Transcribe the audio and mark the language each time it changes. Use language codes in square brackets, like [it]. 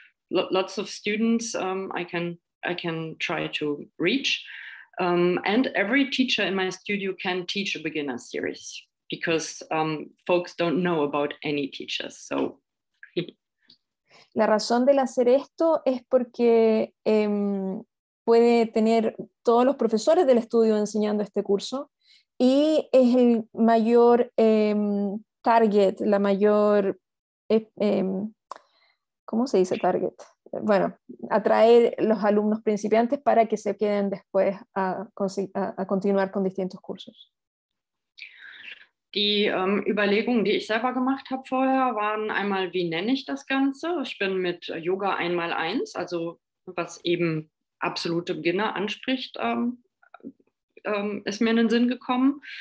[en] Lots of students I can try to reach, and every teacher in my studio can teach a beginner series because folks don't know about any teachers. So [es] la razón de hacer esto es porque puede tener todos los profesores del estudio enseñando este curso y es el mayor target, la mayor ¿cómo se dice target? Bueno, atraer los alumnos principiantes para que se queden después a continuar con distintos cursos. [de] Die Überlegungen, die ich selber gemacht habe vorher, waren einmal, wie nenne ich das Ganze? Ich bin mit Yoga 1x1, also was eben absolute Beginner anspricht, ist mir in den Sinn gekommen.